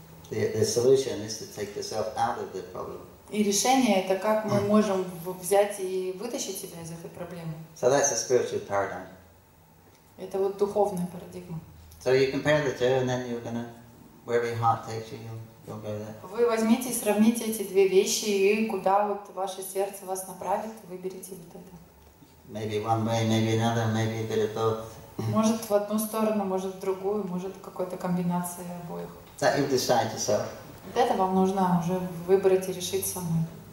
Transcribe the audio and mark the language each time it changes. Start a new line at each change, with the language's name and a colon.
English: The solution is to take yourself out of the problem.
Russian: И решение — это как мы можем взять и вытащить себя из этой проблемы.
English: So that's a spiritual paradigm.
Russian: Это вот духовная парадигма.
English: So you compare the two, and then you're gonna, wherever your heart takes you, you'll go there.
Russian: Вы возьмите и сравните эти две вещи, и куда вот ваше сердце вас направит, выберите вот это.
English: Maybe one way, maybe another, maybe a bit of both.
Russian: Может, в одну сторону, может, в другую, может, какой-то комбинация обоих.
English: That you decide yourself.
Russian: Это вам нужно уже выбрать и решить самой.